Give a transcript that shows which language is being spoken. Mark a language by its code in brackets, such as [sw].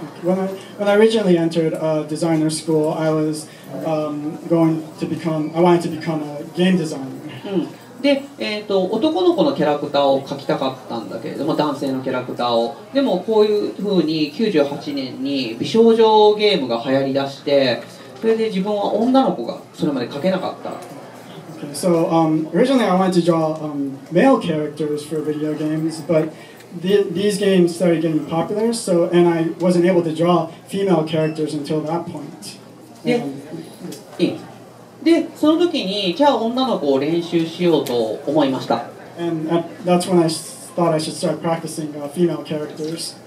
[en] When I originally entered a designer school, I was going to become a game designer. [ja] で、男の子のキャラクターを描きたかったんだけれども、男性のキャラクターを。でもこういう風に98年に美少女ゲームが流行り出して、それで自分は女の子がそれまで描けなかった。 [en] So originally I wanted to draw male characters for video games, but these games started getting popular, so and I wasn't able to draw female characters until that point. [ja] で、その時にじゃあ女の子を練習しようと思いました。And [en] that's when I thought I should start practicing female characters.